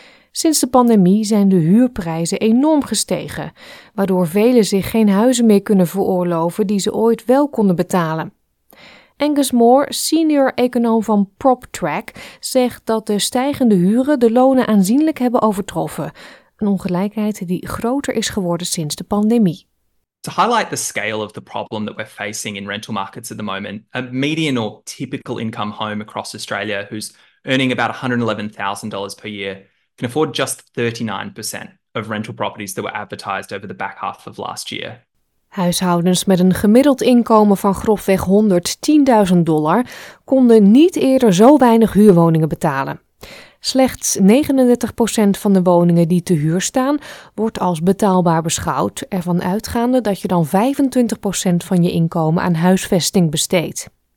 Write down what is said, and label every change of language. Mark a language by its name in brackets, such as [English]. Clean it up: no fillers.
[Dutch] Sinds de pandemie zijn de huurprijzen enorm gestegen, waardoor velen zich geen huizen meer kunnen veroorloven die ze ooit wel konden betalen. Angus Moore, senior econoom van PropTrack, zegt dat de stijgende huren de lonen aanzienlijk hebben overtroffen, een ongelijkheid die groter is geworden sinds de pandemie. [English] To highlight the scale of the problem that we're facing in rental markets at the moment, a median or typical income home across Australia who's earning about $111,000 per year can afford just 39% of rental properties that were advertised over the back half of last year. [Dutch] Huishoudens met een gemiddeld inkomen van grofweg $110.000 konden niet eerder zo weinig huurwoningen betalen. Slechts 39% van de woningen die te huur staan wordt als betaalbaar beschouwd, ervan uitgaande dat je dan 25% van je inkomen aan huisvesting besteedt.